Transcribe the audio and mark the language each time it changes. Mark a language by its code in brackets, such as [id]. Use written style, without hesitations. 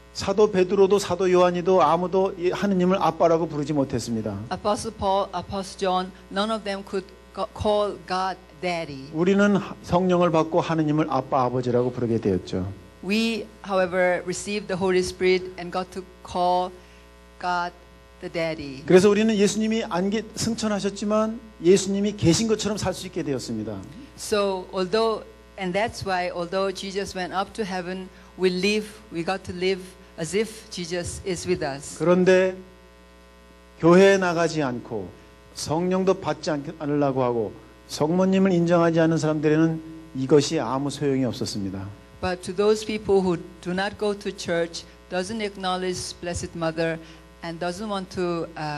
[ko] 사도 베드로도 사도 요한이도 아무도 하느님을 아빠라고 부르지 못했습니다. [en] Apostle Paul, Apostle John, none of them could call God Daddy. [ko] 우리는 성령을 받고 하느님을 아빠 아버지라고 부르게 되었죠. [en] We, however, received the Holy Spirit and got to call God the Daddy. [ko] 그래서 우리는 예수님이 승천하셨지만 예수님이 계신 것처럼 살 수 있게 되었습니다. [en] So although and that's why although Jesus went up to heaven, we got to live. As if Jesus is with us. [ko] 그런데 교회에 나가지 않고 성령도 받지 않으려고 하고 성모님을 인정하지 않는 사람들에는 이것이 아무 소용이 없었습니다. [en] But to those people who do not go to church, doesn't acknowledge Blessed Mother, and doesn't want to